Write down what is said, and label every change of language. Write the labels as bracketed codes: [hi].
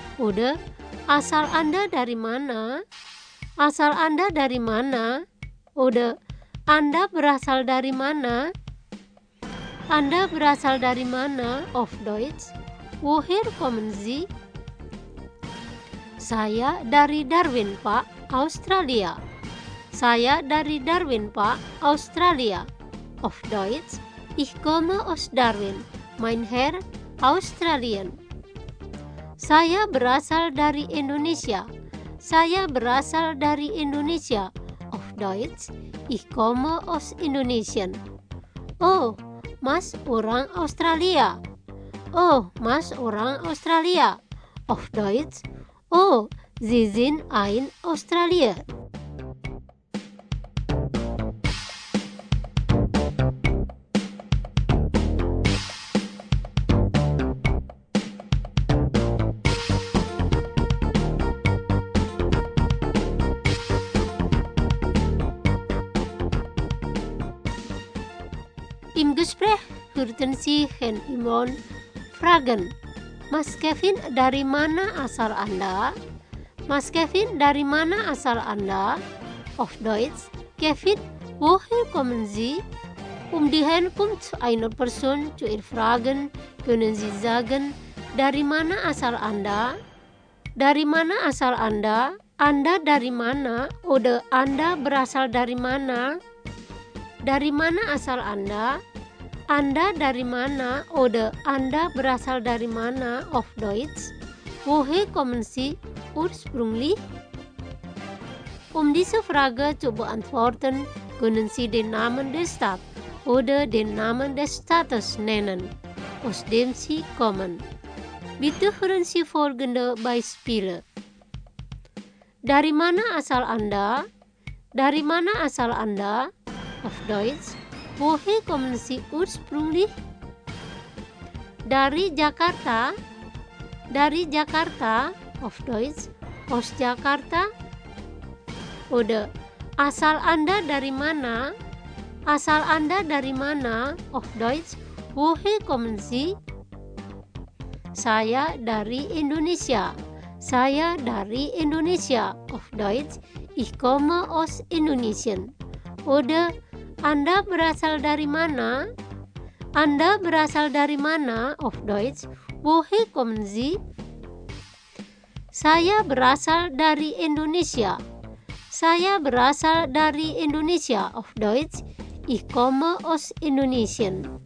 [id] Oder asal Anda dari mana? Asal Anda dari mana? Oder Anda berasal dari mana? Anda berasal dari mana? [de] Auf Deutsch, woher kommen Sie? [id] Saya dari Darwin, Pak, Australia. Saya dari Darwin, Pak, Australia. [de] Auf Deutsch, ich komme aus Darwin, mein Herr, Australien. [id] Saya berasal dari Indonesia. Saya berasal dari Indonesia. [de] Auf Deutsch, ich komme aus Indonesien. [id] Oh, Mas orang Australia. Oh, Mas orang Australia. [de] Auf Deutsch, oh, Sie sind ein Australier. Im Gespräch würden Sie Herrn Imon fragen, [id] Mas Kevin, dari mana asal Anda? Mas Kevin, dari mana asal Anda? [de] Auf Deutsch, Kevin, woher kommen Sie? Die Herren kommt einer Person zu ihr fragen, können Sie sagen, [id] dari mana asal Anda? Dari mana asal Anda? Anda dari mana? Oder Anda berasal dari mana? Dari mana asal Anda? Anda dari mana? Oder Anda berasal dari mana? [de] Auf Deutsch, woher kommen Sie? Ursprünglich? Diese Frage zu beantworten, können Sie den Namen der Stadt oder den Namen des Staates nennen, aus dem Sie kommen. Bitte hören Sie folgende Beispiele. [id] Dari mana asal Anda? Dari mana asal Anda? [de] Auf Deutsch, woher kommen Sie ursprünglich? [id] Dari Jakarta? Dari Jakarta? [de] Auf Deutsch, aus Jakarta? [id] Oder asal Anda dari mana? Asal Anda dari mana? [de] Auf Deutsch, woher kommen Sie? [id] Saya dari Indonesia. Saya dari Indonesia. [de] Auf Deutsch, ich komme aus Indonesien. [id] Oder Anda berasal dari mana? Anda berasal dari mana? [de] Auf Deutsch, woher kommen Sie? [id] Saya berasal dari Indonesia. Saya berasal dari Indonesia. [de] Auf Deutsch, ich komme aus Indonesien.